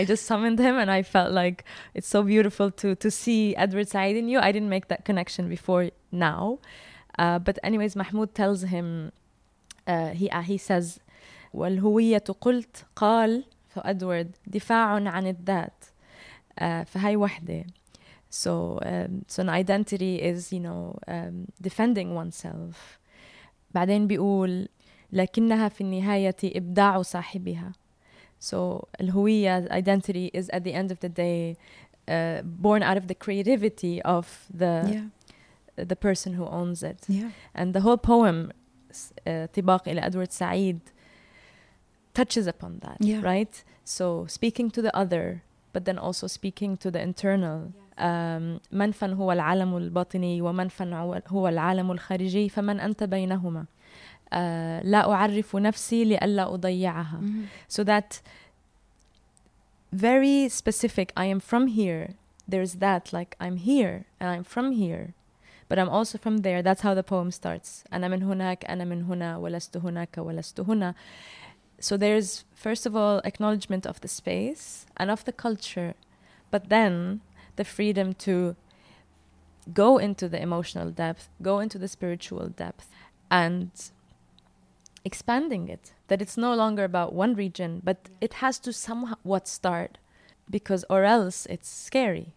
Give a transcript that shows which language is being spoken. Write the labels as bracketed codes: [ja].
[en] I just summoned him and I felt like it's so beautiful to see Edward Said in you. I didn't make that connection before now. But anyways, Mahmoud tells him, he says, [ar] والهوية قلت قال. So Edward, دفاع عن الذات فهي وحدة. [en] So an identity is, you know, defending oneself. [ar] بعدين بيقول لكنها في النهاية إبداع صاحبها. [en] So الهوية, identity, is at the end of the day born out of the creativity of the person who owns it. Yeah. And the whole poem, طباق إلى Edward Said, touches upon that, yeah, right? So speaking to the other, but then also speaking to the internal. [ar] منفن هو العالم الباطني ومنفن هو العالم الخارجي فمن أنت بينهما لا أعرف نفسي لألا أضيعها. [en] So that very specific, I am from here, there's that, like, I'm here and I'm from here, but I'm also from there. That's how the poem starts. [ar] أنا من هناك, أنا من هنا, ولست هناك, ولست هنا. [en] So there's, first of all, acknowledgement of the space and of the culture, but then the freedom to go into the emotional depth, go into the spiritual depth, and expanding it. That it's no longer about one region, but it has to somewhat start, because or else it's scary,